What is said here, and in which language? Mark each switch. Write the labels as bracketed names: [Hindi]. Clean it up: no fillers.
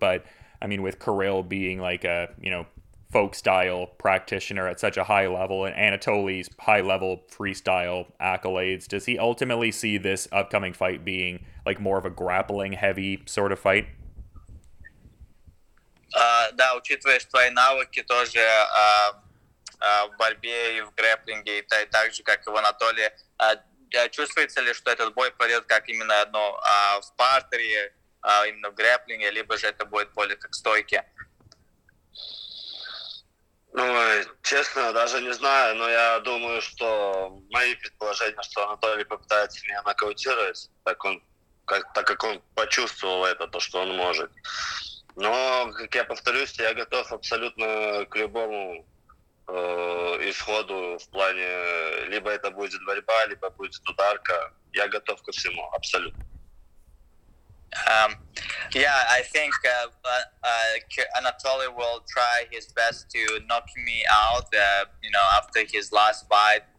[English] But, I mean, with Kirill being like a, you know, folk-style practitioner at such a high level, and Anatoly's high-level freestyle accolades, does he ultimately see this upcoming fight being, like, more of a grappling-heavy sort of fight? [Russian] Да, учитывая твои навыки тоже в борьбе и в грэплинге, и так же, как и в Анатолии, чувствуется ли, что этот бой пойдет как именно ну, в партере, именно в грэплинге, либо же это будет более как стойки? Ну, честно, даже не знаю, но я думаю, что мои предположения, что Анатолий попытается меня нокаутировать, так как он почувствовал это, то, что он может. Но, как я повторюсь, я готов абсолютно к любому исходу в плане, либо это будет борьба, либо будет ударка. Я готов ко всему, абсолютно. [English] Yeah, I think Anatoly will try his best to knock me out, you know, after his last fight.